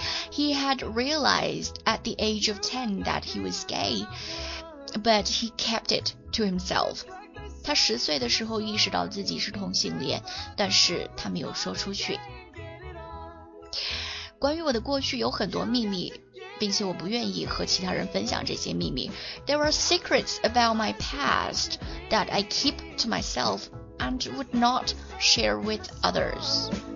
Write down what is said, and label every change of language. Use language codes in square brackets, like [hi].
[en] He had realized at the age of 10 that he was gay, but he kept it to himself. [zh] 他10岁的时候意识到自己是同性恋，但是他没有说出去。关于我的过去有很多秘密，并且我不愿意和其他人分享这些秘密。 [en] There are secrets about my past that I keep to myself and would not share with others.